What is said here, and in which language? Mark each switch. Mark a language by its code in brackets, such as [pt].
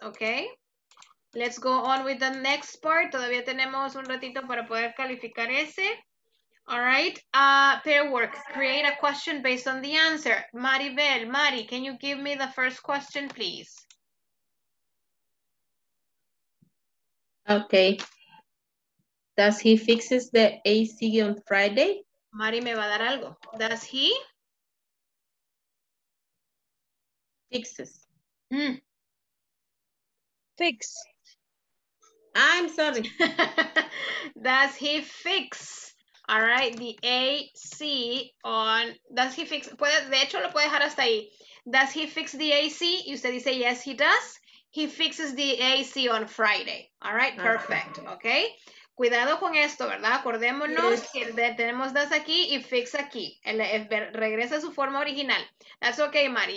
[en] Okay, let's go on with the next part. [es] Todavía tenemos un ratito para poder calificar ese. [en] All right, pair work, create a question based on the answer. Maribel, Mari, can you give me the first question, please? Okay. Does he fixes the AC on Friday? [es] Mari me va a dar algo. [en] Does he? Fixes. Mm. Fix. I'm sorry. Does he fix? All right, the AC on, does he fix? [es] Puede, de hecho, lo puede dejar hasta ahí. [en] Does he fix the AC? [es] Y usted dice, [en] yes, he does. He fixes the AC on Friday. All right, perfect. Okay. [es] Cuidado con esto, ¿verdad? Acordémonos yes. que tenemos das aquí y fix aquí. Regresa a su forma original. [en] That's okay, [es] Mari.